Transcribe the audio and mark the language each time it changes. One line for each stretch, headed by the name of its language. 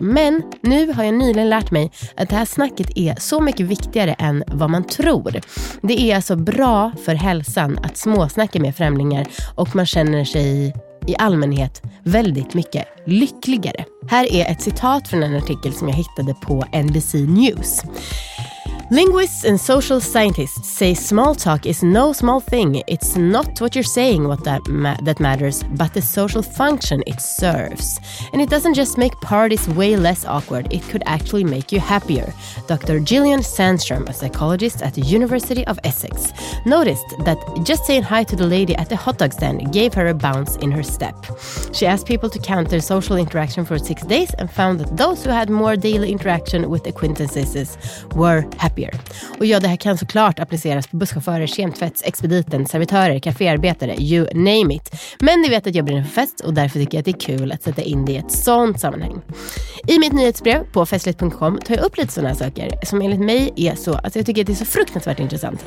Swedish: Men nu har jag nyligen lärt mig att det här snacket är så mycket viktigare än vad man tror. Det är alltså bra för hälsan att småsnacka med främlingar, och man känner sig i allmänhet väldigt mycket lyckligare. Här är ett citat från en artikel som jag hittade på NBC News.
English: Linguists and social scientists say small talk is no small thing. It's not what you're saying that matters, but the social function it serves. And it doesn't just make parties way less awkward, it could actually make you happier. Dr. Gillian Sandstrom, a psychologist at the University of Essex, noticed that just saying hi to the lady at the hot dog stand gave her a bounce in her step. She asked people to count their social interaction for 6 days and found that those who had more daily interaction with acquaintances were happier.
Swedish: Och ja, det här kan såklart appliceras på busschaufförer, kemtvätts, expediten, servitörer, kaféarbetare,
English: you name it.
Swedish: Men ni vet att jag blir en fest, och därför tycker jag att det är kul att sätta in det i ett sånt sammanhang. I mitt nyhetsbrev på festligt.com tar jag upp lite sådana saker som enligt mig är så, alltså jag tycker att det är så fruktansvärt intressant.